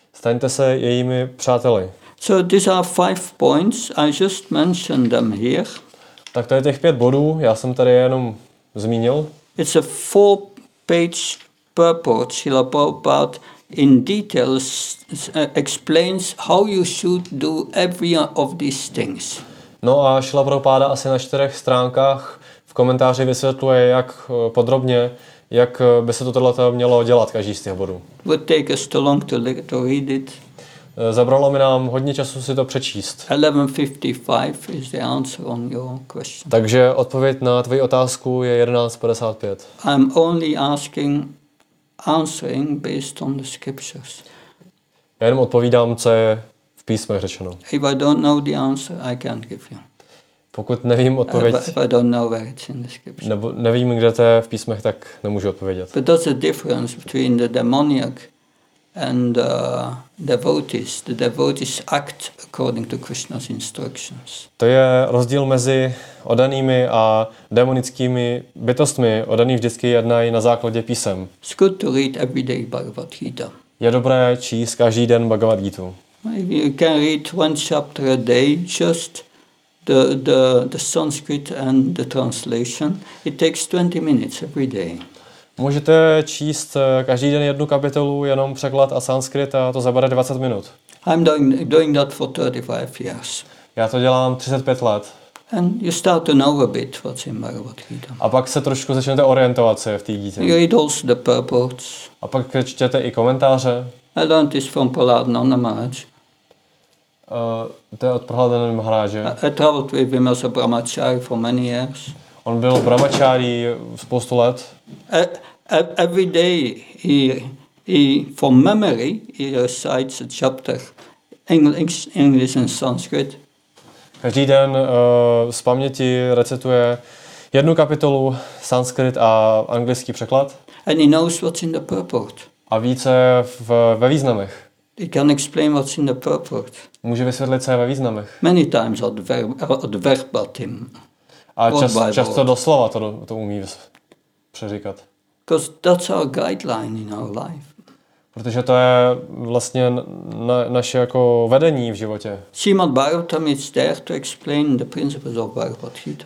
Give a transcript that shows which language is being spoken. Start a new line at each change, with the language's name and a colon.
Czech: Staňte se jejími přáteli.
English: So these are five points. I just mentioned them here.
Czech: Tak to je těch pět bodů. Já jsem tady jenom zmínil.
English: It's a four-page purport. Srila Prabhupada in details explains how you should do every of these things.
Czech: No a Srila Prabhupada asi na čtyřech stránkách v komentáři vysvětluje, jak podrobně, jak by se tohle mělo dělat každý z těch bodů.
English: Would take us too long to read it.
Czech: Zabralo mi nám hodně času si to přečíst.
English: 11:55 is the answer on your question.
Czech: Takže odpověď na tvoji otázku je 11:55.
English: I'm only answering based on the scriptures.
Czech: Já jenom odpovídám, co je v písmech řečeno.
English: If I don't know the answer, I can't give you.
Czech: Pokud nevím odpověď,
English: I don't know where it's in the scriptures.
Czech: Nebo nevím, kde to je v písmech, tak nemůžu odpovědět.
English: But that's the difference between the demoniac and devotees. The devotees act according to Krishna's instructions.
Czech: To je rozdíl mezi oddanými a demonickými bytostmi. Oddaní vždycky jednají na základě písem.
English: It's good to read every day Bhagavad Gita.
Czech: Je dobré číst každý den Bhagavad Gita.
English: You can read one chapter a day, just the Sanskrit and the translation. It takes 20 minutes every day.
Czech: Můžete číst každý den jednu kapitolu, jenom překlad a sanskrit, a to zabere 20 minut.
English: I'm doing that for 35 years.
Czech: Já to dělám 35 let.
English: And you start to know a bit what's in Bhagavad Gita.
Czech: A pak se trošku začnete orientovat se v té Gita.
English: You read also the purports.
Czech: A pak čtete i komentáře.
English: I learned this from Prahlada Nanda Maharaj.
Czech: To je od Prahlada Nanda Maharaje.
English: I traveled with him as a brahmachari for many years.
Czech: On byl brahmačári spoustu let.
English: Every day he from memory he recites a chapter English and Sanskrit.
Czech: Každý den z paměti recituje jednu kapitolu sanskrit a anglický překlad.
English: And he knows what's in the purport.
Czech: A ví, co je ve významech.
English: He can explain what's in the purport.
Czech: Může vysvětlit, co je ve významech.
English: Many times ad verbatim.
Czech: A často doslova to umí přeříkat.
English: Because that's our guideline in our life.
Czech: Protože to je vlastně naše jako vedení v životě.
English: Srimad Bhagavatam is there to explain the principles of Bhagavad Gita.